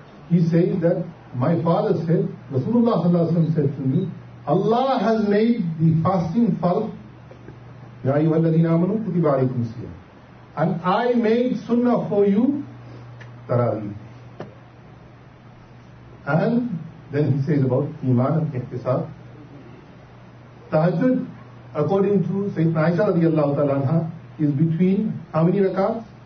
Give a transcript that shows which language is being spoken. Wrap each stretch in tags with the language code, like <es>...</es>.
<en>He said that my father said, رسول الله صلى الله عليه وسلم said to me, Allah has made the fasting fard.</en> <ar>يا أيها الذين آمنوا كتب عليكم الصيام.</ar> <en>And I made sunnah for you, Taraweeh. And then he says about Iman and Ihtisab. Tahajjud, according to Sayyidina Aisha radiallahu ta'ala anha, is between how many rakats?</en>